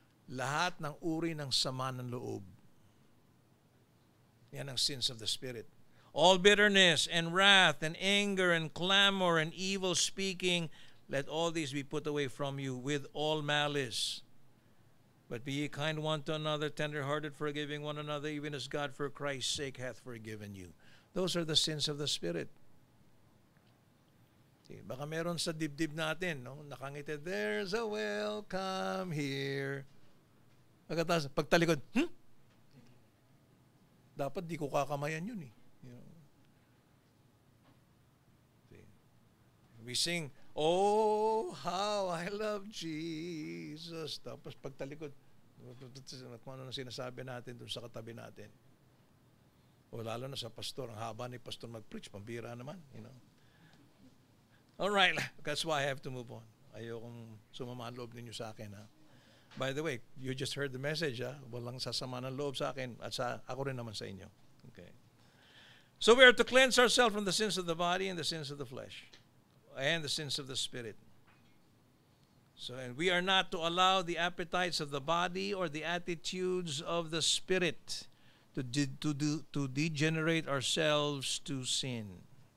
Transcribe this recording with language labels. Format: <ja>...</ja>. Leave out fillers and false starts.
<tl>Lahat ng uri ng sama ng loob. Yan ang</tl> <en>sins of the Spirit. All bitterness and wrath and anger and clamor and evil speaking, let all these be put away from you with all malice. But be ye kind one to another, tenderhearted, forgiving one another, even as God for Christ's sake hath forgiven you. Those are the sins of the Spirit.</en> <tl>Okay, baka meron sa dibdib natin, no? Nakangiti,</tl> <en>there's a welcome here.</en> <tl>Pagkatapos, pagtalikod, hmm? Dapat di ko kakamayan yun eh.</tl> <en>You know? Okay. We sing, oh, how I love Jesus.</en> <tl>Tapos pagtalikod, at kung ano na sinasabi natin dun sa katabi natin. O lalo na sa pastor, ang haba ni pastor mag-preach, pambira naman.</tl> <en>You know? Alright, that's why I have to move on.</en> <tl>Ayokong sumama ang loob ninyo sa akin. Ha?</tl> <en>By the way, you just heard the message. Ha?</en> <tl>Walang sasama ng loob sa akin at sa ako rin naman sa inyo.</tl> <en>Okay. So we are to cleanse ourselves from the sins of the body and the sins of the flesh and the sins of the spirit. So, and we are not to allow the appetites of the body or the attitudes of the spirit to degenerate ourselves to sin.</en>